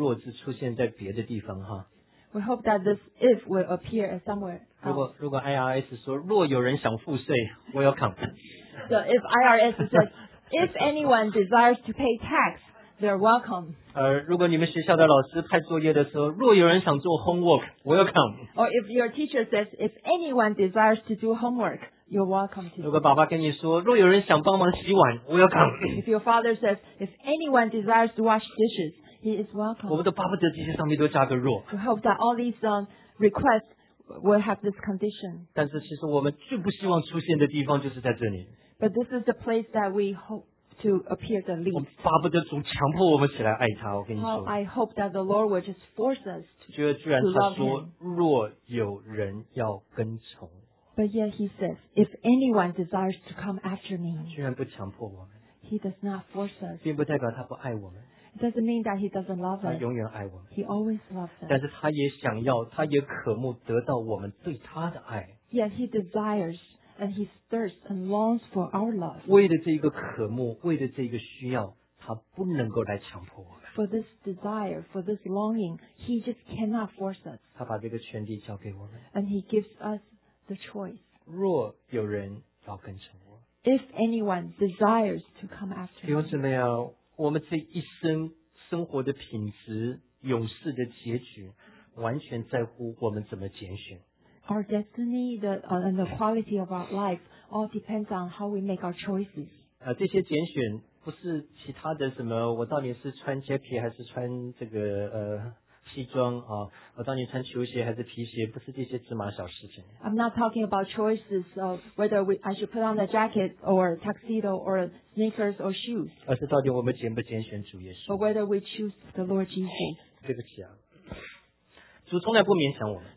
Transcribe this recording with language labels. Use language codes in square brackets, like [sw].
[zh] 我们其实很希望这个若字出现在别的地方哈。 [en] We hope that this if will appear somewhere else. [zh] 如果 IRS 说若有人想付税，我要come. [en] So if IRS says if anyone desires to pay tax, they're welcome. [zh] 如果你们学校的老师派作业的时候，若有人想做 homework，我要come. [en] Or if your teacher says if anyone desires to do homework, you're welcome to. [zh] 如果爸爸跟你说若有人想帮忙洗碗，我要come. [en] If your father says if anyone desires to wash dishes. He is welcome. [zh] 我们都巴不得这些上面都加个若。 [en] We hope that all these requests will have this condition. [zh] 但是其实我们最不希望出现的地方就是在这里。 [en] But this is the place that we hope to appear the least. [zh] 我巴不得主强迫我们起来爱他，我跟你说。 [en] Well, I hope that the Lord will just force us to love him. [zh] 居然他说若有人要跟从。 [en] But yet he says, if anyone desires to come after me. [zh] 居然不强迫我们。 [en] He does not force us. [zh] 并不代表他不爱我们。 [en] It doesn't mean that he doesn't love us. [zh] 他永远爱我们, [en] he always loves us. [zh] 但是他也想要, 他也渴慕得到我们对他的爱。 [en] Yet he desires and he thirsts and longs for our love. [zh] 为了这一个渴慕, 为了这一个需要, 他不能够来强迫我们。 [en] For this desire, for this longing, he just cannot force us. [zh] 他把这个权利交给我们。 [en] And he gives us the choice. [zh] 若有人要跟从我。 [en] If anyone desires to come after him. [zh] 弟兄姊妹啊, 我们这一生生活的品质、永世的结局，完全在乎我们怎么拣选。 [en] Our destiny, and the quality of our life all depends on how we make our choices. [zh] 这些拣选不是其他的什么，我到底是穿JP还是穿这个西装啊？我到底穿球鞋还是皮鞋？不是这些芝麻小事情。 [en] I'm not talking about choices of whether I should put on a jacket or a tuxedo or a sneakers or shoes. [zh] 而是到底我们拣不拣选主耶稣。 [en] But whether we choose the Lord Jesus. [zh] 对不起啊，主从来不勉强我们。